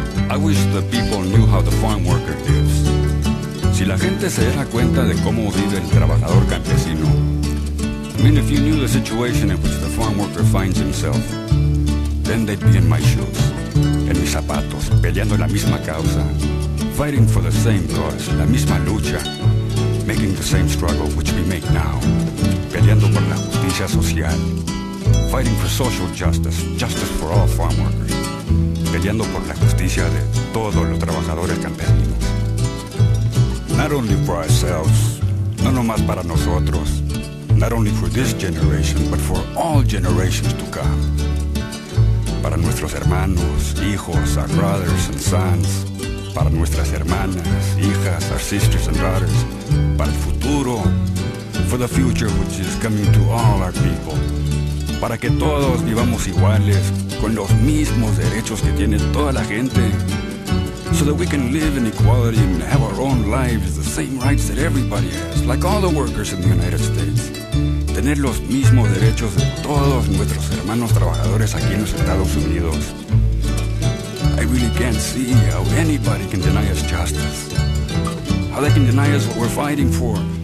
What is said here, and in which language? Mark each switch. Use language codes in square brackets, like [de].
[en] I wish the people knew how the farm worker lives. [es] Si la gente se diera cuenta de cómo vive el trabajador campesino. [en] I mean, if you knew the situation in which the farm worker finds himself, then they'd be in my shoes, [es] en mis zapatos, peleando la misma causa, [en] fighting for the same cause, [es] la misma lucha, [en] making the same struggle which we make now, [es] peleando por la justicia social, [en] fighting for social justice, justice for all farm workers, [es] peleando por la justicia de todos los trabajadores campesinos. [en] Not only for ourselves, [es] no nomás para nosotros, [en] not only for this generation, but for all generations to come. [es] Para nuestros hermanos, hijos, [en] our brothers and sons, [es] para nuestras hermanas, hijas, [en] our sisters and daughters, [es] para el futuro, [en] for the future which is coming to all our people. [es] Para que todos vivamos iguales, con los mismos derechos que tiene toda la gente. [en] So that we can live in equality and have our own lives, the same rights that everybody has, like all the workers in the United States. [es] Tener los mismos derechos de todos nuestros hermanos trabajadores aquí en los Estados Unidos. [en] I really can't see how anybody can deny us justice. How they can deny us what we're fighting for.